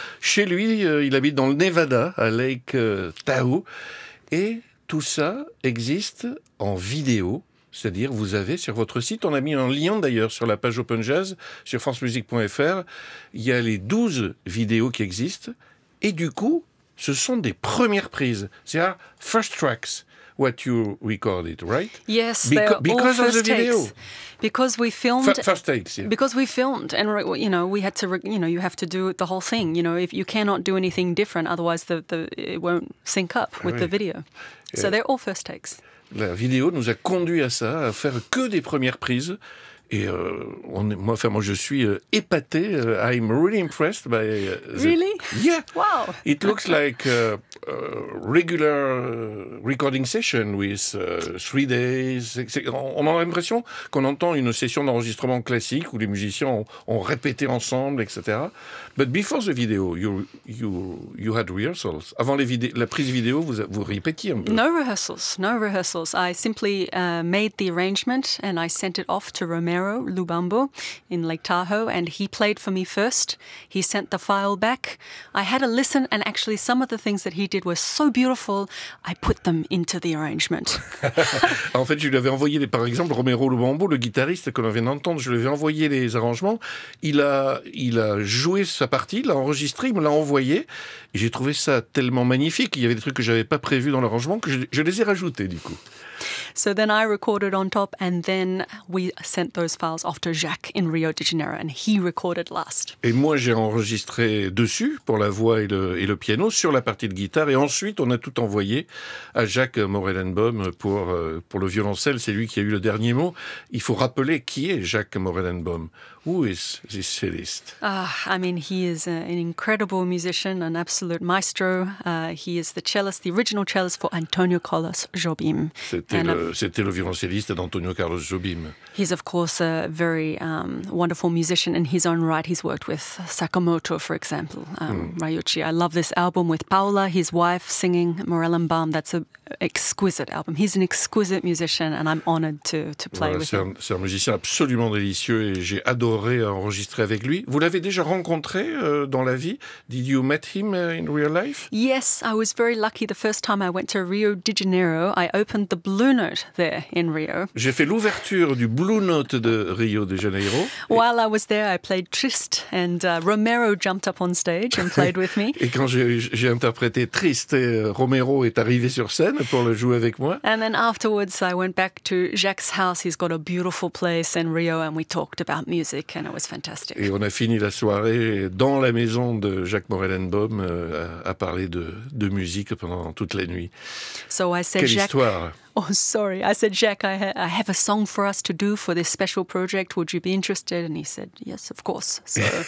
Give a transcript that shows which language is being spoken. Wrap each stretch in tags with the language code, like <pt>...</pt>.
<fr>Chez lui, il habite dans le Nevada, à Lake Tahoe. Et tout ça existe en vidéo. C'est-à-dire, vous avez sur votre site, on a mis un lien d'ailleurs sur la page Open Jazz, sur francemusique.fr, il y a les 12 vidéos qui existent, et du coup, ce sont des premières prises. C'est-à-dire,</fr> <en>first tracks, what you recorded, right? Yes, they're because all first of the video. Takes. Because we filmed... First takes, yeah. Because we filmed, and you know, we had to, you know, you have to do the whole thing. You know, if you cannot do anything different, otherwise the it won't sync up with the video. So they're all first takes.</en> <fr>La vidéo nous a conduit à ça, à faire que des premières prises. Et moi, je suis épaté.</fr> <en>I'm really impressed by really? Yeah. Wow. It looks like a regular recording session with 3 days.</en> <fr>On a l'impression qu'on entend une session d'enregistrement classique où les musiciens ont répété ensemble, etc.</fr> <en>But before the video, you had rehearsals.</en> <fr>Avant la prise vidéo, vous répétiez un peu.</fr> <en>No rehearsals. I simply made the arrangement and I sent it off to Romero Lubambo in Lake Tahoe, and he played for me first. He sent the file back. I had a listen, and actually some of the things that he did were so beautiful, I put them into the arrangement.</en> <fr>En fait, je lui avais envoyé, par exemple, Romero Lubambo, le guitariste que l'on vient d'entendre, je lui avais envoyé les arrangements. Il a joué sa partie, il l'a enregistré, il me l'a envoyé. Et j'ai trouvé ça tellement magnifique. Il y avait des trucs que je n'avais pas prévus dans l'arrangement que je les ai rajoutés, du coup.</fr> <en>So then I recorded on top, and then we sent those files off to Jacques in Rio de Janeiro, and he recorded last.</en> <fr>Et moi, j'ai enregistré dessus pour la voix et le piano sur la partie de guitare, et ensuite on a tout envoyé à Jacques Morellenbaum pour le violoncelle. C'est lui qui a eu le dernier mot. Il faut rappeler qui est Jacques Morellenbaum.</fr> <en>Who is this cellist? He is an incredible musician, an absolute maestro. He is the cellist, the original cellist for Antonio Carlos Jobim.</en> <fr>C'était le violoncelliste d'Antonio Carlos Jobim.</fr> <en>He's of course a very wonderful musician in his own right. He's worked with Sakamoto, for example, Ryuichi. I love this album with Paola, his wife, singing Morellenbaum. That's an exquisite album. He's an exquisite musician, and I'm honored to play with him.</en> <fr>C'est un musicien absolument délicieux, et j'ai adoré enregistrer avec lui. Vous l'avez déjà rencontré dans la vie?</fr> <en>Did you meet him in real life? Yes, I was very lucky. The first time I went to Rio de Janeiro, I opened the Blue Note there in Rio.</en> <fr>J'ai fait l'ouverture du Blue Note de Rio de Janeiro.</fr> <en>While I was there, I played Triste, and Romero jumped up on stage and played with me.</en> <fr>Et quand j'ai interprété Triste, Romero est arrivé sur scène pour le jouer avec moi.</fr> <en>And then afterwards, I went back to Jacques' house. He's got a beautiful place in Rio, and we talked about music, and it was fantastic.</en> <fr>Et on a fini la soirée dans la maison de Jacques Morellenbaum à parler de musique pendant toute la nuit.</fr> <en>So I said,</en> <fr>quelle</fr> <en>Jacques,</en> <fr>histoire.</fr> <en>Oh, sorry. I said, Jack, I have a song for us to do for this special project. Would you be interested? And he said, yes, of course. So...</en>